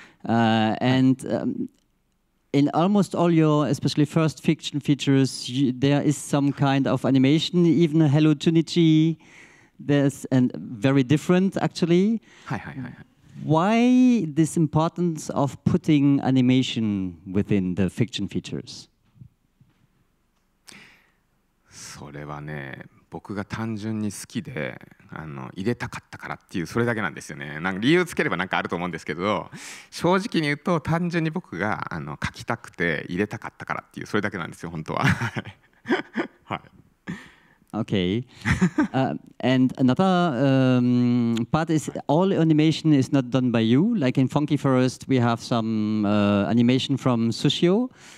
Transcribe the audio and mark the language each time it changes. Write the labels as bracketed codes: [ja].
[en] And in almost all your, especially first fiction features, there is some kind of animation, even Hello Junichi, there's and very different actually. Why this importance of putting animation within the fiction features? [ja] それはね、僕が単純に好きで、入れたかったからっていう、それだけなんですよね。なんか理由つければなんかあると思うんですけど、正直に言うと単純に僕が書きたくて入れたかったからっていう、それだけなんですよ本当は。はい。 [en] Okay. And another part is all animation is not done by you. Like in Funky Forest, we have some animation from Sushio.